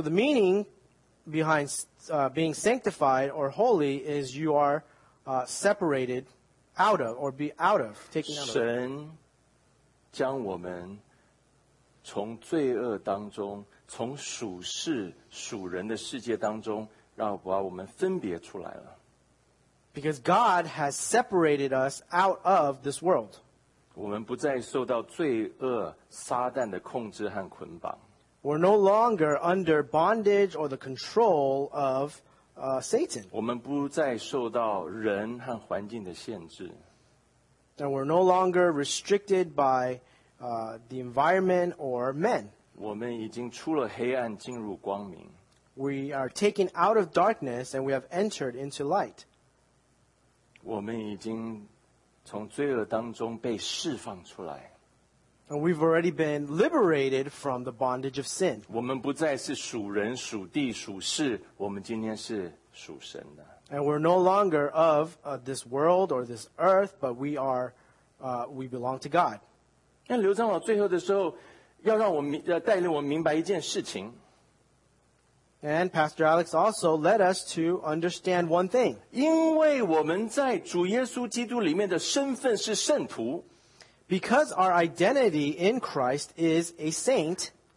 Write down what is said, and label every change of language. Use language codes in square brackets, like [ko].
[en] the meaning behind being sanctified or holy is you are separated out of or be out of, taken out of. [zh] 神 将我们从罪恶当中，从属世属人的世界当中， 让把我们分别出来了。 [en] Because God has separated us out of this world. [zh] 我们不再受到罪恶撒旦的控制和捆绑。 [en] We're no longer under bondage or the control of Satan. [zh] 我们不再受到人和环境的限制。 [en] And we're no longer restricted by the environment or men. [zh] 我们已经出了黑暗进入光明。 [en] We are taken out of darkness and we have entered into light. [zh] 我们已经从罪恶当中被释放出来。 [en] And we've already been liberated from the bondage of sin. [zh] 我们不再是属人、属地、属事，我们今天是属神的。 [en] And we're no longer of this world or this earth, but we are, we belong to God. [zh] 那刘长老最后的时候，要让我们带领我们明白一件事情。 [en] And Pastor Alex also led us to understand one thing. [zh] 因为我们在主耶稣基督里面的身份是圣徒。 [en] Because our identity in Christ is a saint,